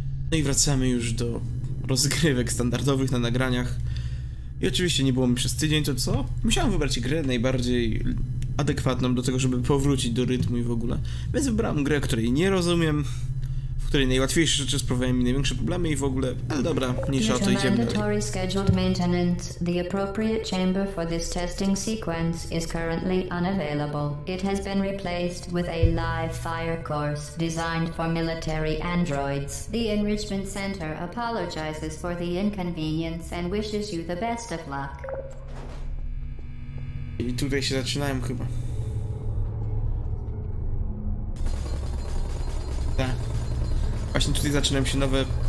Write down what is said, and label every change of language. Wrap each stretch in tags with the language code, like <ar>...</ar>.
<pl>No i wracamy już do rozgrywek standardowych na nagraniach. I oczywiście nie było mi przez tydzień, to co? Musiałem wybrać grę najbardziej adekwatną do tego, żeby powrócić do rytmu i w ogóle. Więc wybrałem grę, której nie rozumiem, w której najłatwiejsze rzeczy sprawiają mi największe problemy i w ogóle. Ale dobra, mniejsza o to, idziemy dalej.</pl> <en>Scheduled maintenance. The appropriate chamber for this testing sequence is currently unavailable. It has been replaced with a live fire course designed for military androids. The enrichment center apologizes for the inconvenience and wishes you the best of luck.</en> <pl>I tutaj się zaczynałem chyba. Właśnie tutaj zaczynają się nowe...</pl>